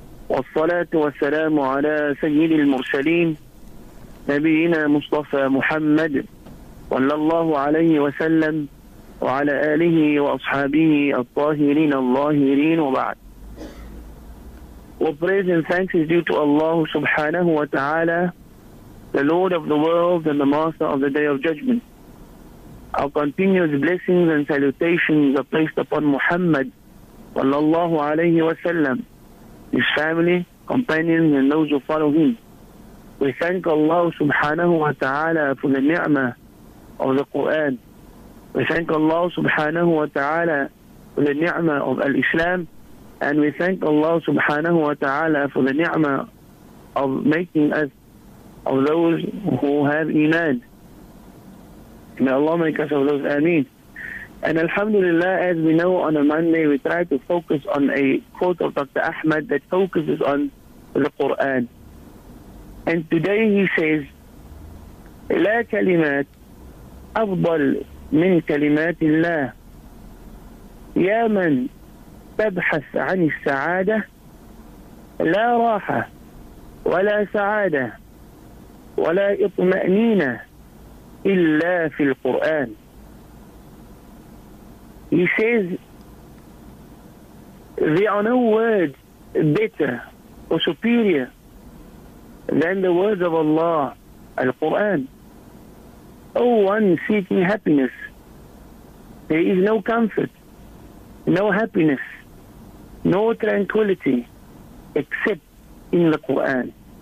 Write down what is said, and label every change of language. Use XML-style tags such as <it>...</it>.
<ar>والصلاة والسلام على سيد المرسلين نبينا مصطفى محمد صلى الله عليه وسلم وعلى آله وأصحابه الطاهرين اللاهرين وبعد.</ar> <en>Praise and thanks is due to Allah subhanahu wa ta'ala, the Lord of the world and the master of the day of judgment. Our continuous blessings and salutations are placed upon Muhammad صلى الله عليه وسلم, his family, companions, and those who follow him. We thank Allah subhanahu wa ta'ala for the ni'mah of the Qur'an. We thank Allah subhanahu wa ta'ala for the ni'mah of al-Islam. And we thank Allah subhanahu wa ta'ala for the ni'mah of making us of those who have iman. May Allah make us of those, ameen. And alhamdulillah, as we know, on a Monday, we try to focus on a quote of Dr. Ahmed that focuses on the Qur'an. And today he says,</en> <ar>لا كلمات أفضل من كلمات الله يا من تبحث عن السعادة لا راحة ولا سعادة ولا إطمأنينة إلا في القرآن.</ar> <en>He says, there are no words better or superior than the words of Allah, Al-Quran. O one seeking happiness, there is no comfort, no happiness, no tranquility except in the Quran.</en>